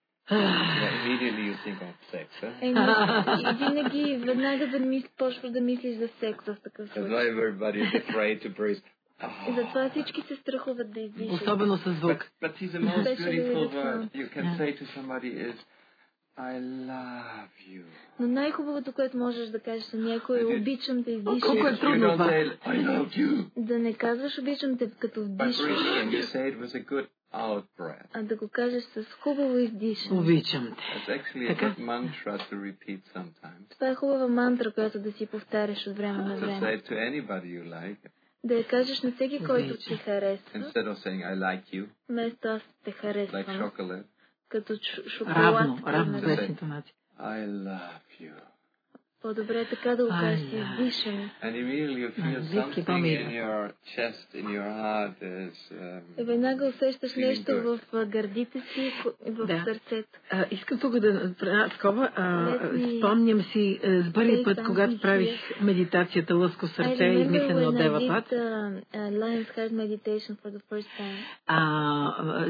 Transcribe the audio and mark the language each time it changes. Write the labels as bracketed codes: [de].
[en] Immediately you think of sex, huh? [bg] And винаги веднага да почваш да мислиш за секс в такъв случай. [en] That's why everybody is afraid to breathe. [bg] И затова всички се страхуват да издишат. Особено със звук. [en] But the most beautiful word you can say to somebody is I love you. [bg] Но най-хубавото, което можеш да кажеш на някой, обичам те, издишаш. Колко е трудно това. [en] I love you. [bg] Да не казваш обичам те, като вдишаш. [en] But breathing, you say it with a good out breath. [bg] А да го кажеш с хубаво издишане. Обичам те. [en] It's actually a good mantra to repeat sometimes. [bg] Това е хубава мантра, която да си повтаряш от време на време. [en] To say to anybody you like. [bg] Да я кажеш на всеки, който ти харесва. [en] Instead of saying I like you. [bg] Вместо аз те харесвам. [en] Like chocolate. [bg] Като шоколад. Равно, равно с интонация. [en] I love you. [bg] По-добре е така да окажеш издишане. [en] And immediately you feel something in your chest, in your heart is. [bg] Веднага усещаш нещо в гърдите си, в сърцето. Искам тук да направя такова. Спомням си с първи път, когато правих медитацията Лъско сърце и мислено от Дева Пат. [en] Lion's Heart Meditation for the first time.